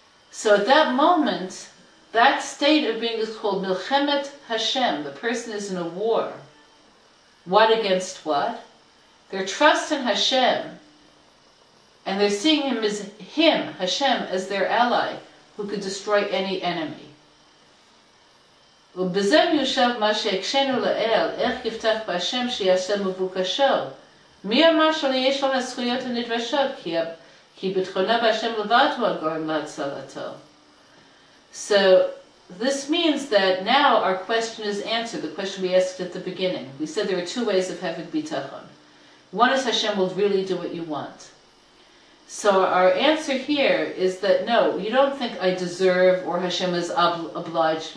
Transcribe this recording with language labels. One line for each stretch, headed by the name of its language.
English: So at that moment, that state of being is called Milchemet Hashem. The person is in a war. What against what? Their trust in Hashem, and they're seeing him as him, Hashem, as their ally, who could destroy any enemy.
Hebrew: ובזם יושב מה שהקשנו לאל, איך יפתח בהשם שיעשה מבוקשו? מי אמר שיש לו הזכויות הנדרשות? כי בתכונה בהשם לבד הוא הגורם להצלתו.
English: So this means that now our question is answered, the question we asked at the beginning. We said there are two ways of having bitachon. One is Hashem will really do what you want. So our answer here is that no, you don't think I deserve or Hashem is obliged.